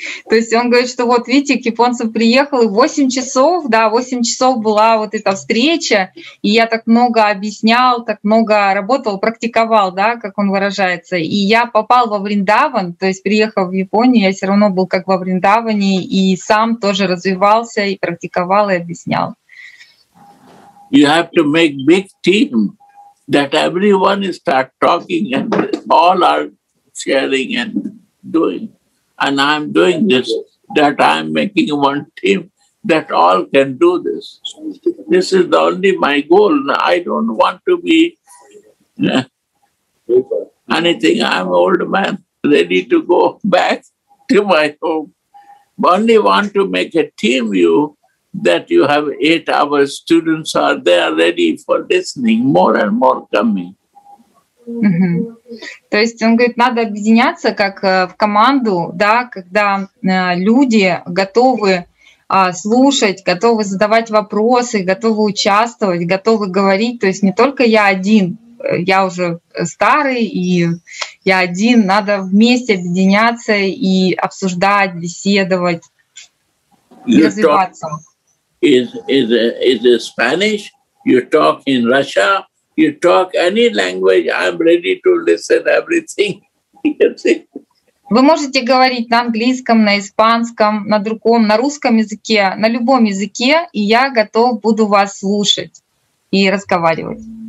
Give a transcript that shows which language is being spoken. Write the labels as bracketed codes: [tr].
[ru] То есть он говорит, что вот видите, к японцам приехал, и 8 часов, да, 8 часов была вот эта встреча, и я так много объяснял, так много работал, практиковал, да, как он выражается. И я попал во Вриндаван, то есть приехал в Японию, я все равно был как во Вриндаване, и сам тоже развивался, и практиковал, и объяснял. [en] You have to make big team, that everyone is start talking, and all are sharing, and doing, and I'm doing this, that I'm making one team that all can do this. This is the only my goal. I don't want to be anything. I'm an old man, ready to go back to my home. Only want to make a team, you, that you have 8 hours, students are there ready for listening, more and more coming. Mm-hmm. [ru] То есть он говорит, надо объединяться как в команду, да, когда люди готовы слушать, готовы задавать вопросы, готовы участвовать, готовы говорить. То есть не только я один, я уже старый, и я один, надо вместе объединяться и обсуждать, беседовать, you развиваться. [en] Is it Spanish? You talk in Russia? You talk any language, I'm ready to listen everything. [ru] Вы можете говорить на английском, на испанском, на другом, на русском языке, на любом языке, и я готов буду вас слушать и разговаривать.